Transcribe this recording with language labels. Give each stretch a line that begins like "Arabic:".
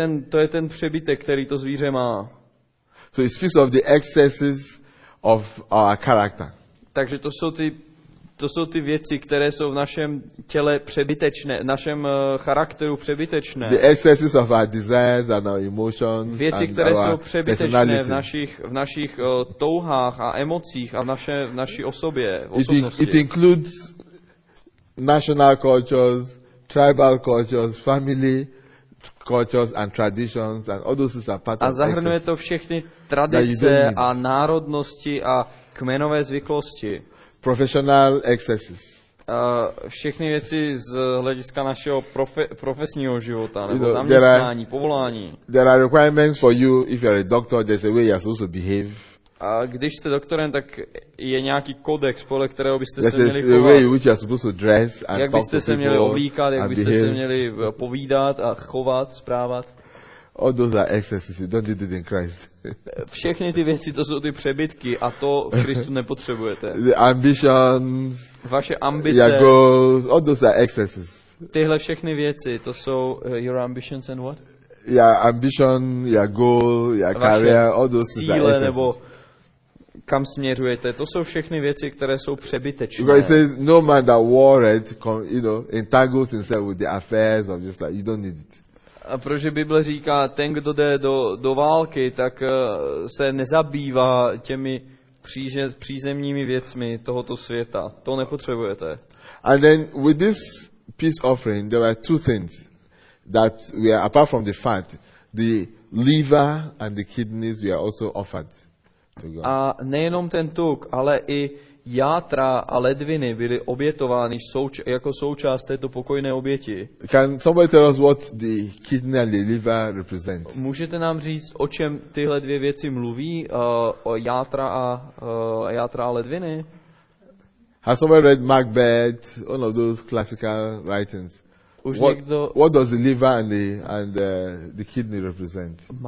Czech: To je ten přebytek, který to zvíře má.
English: So it speaks of the excesses of our character.
Czech: Takže to jsou ty věci, které jsou v našem těle přebytečné, v našem charakteru přebytečné.
English: The excesses of our desires and our emotions.
Czech: Věci,
English: and
Czech: které
English: our
Czech: jsou přebytečné v našich touhách a emocích a v naší osobě, osobnosti.
English: It includes national cultures, tribal cultures, family cultures and traditions and all those are part of.
Czech: A zahrnuje to všechny tradice a národnosti a kmenové zvyklosti.
English: Professional excesses.
Czech: Všechny věci z hlediska našeho profesního života nebo zaměstnání, povolání.
English: There are requirements for you if you're a doctor. There's a way you're supposed to behave.
Czech: A když jste doktorem, tak je nějaký kodex, podle kterého byste
English: there's
Czech: se měli chovat.
English: There's a way in which you're supposed to dress and
Czech: jak byste se měli oblíkat, jak byste
English: behave.
Czech: Se měli povídat a chovat, správat.
English: All those are excesses. You don't need it in Christ.
Czech: Všechny ty věci, to jsou ty přebytky a to v Kristu nepotřebujete.
English: The ambitions,
Czech: vaše ambice,
English: your goals, all those are excesses.
Czech: Tyhle všechny věci, to jsou
English: your ambitions and what? Your ambition, your goal, your career, all those
Czech: cíle,
English: are excesses.
Czech: Nebo kam směřujete, to jsou všechny věci, které jsou přebytečné.
English: Because it says, no man that warred, you know, entangles himself with the affairs of just like, you don't need it.
Czech: A protože Bible říká, ten, kdo jde do války, tak se nezabývá těmi přízemními věcmi tohoto světa. To nepotřebujete.
English: And then with this peace offering, there were two things that we are, apart from the fat, the liver and the kidneys were also offered to God.
Czech: A nejenom ten tuk, ale i játra a ledviny byly obětovány jako součást této pokojné oběti.
English: Can somebody tell us what the kidney and the liver represent?
Czech: Můžete nám říct, o čem tyhle dvě věci mluví, o játra a ledviny?
English: Has somebody read Macbeth, one of those classical writings? What does the liver and the kidney represent?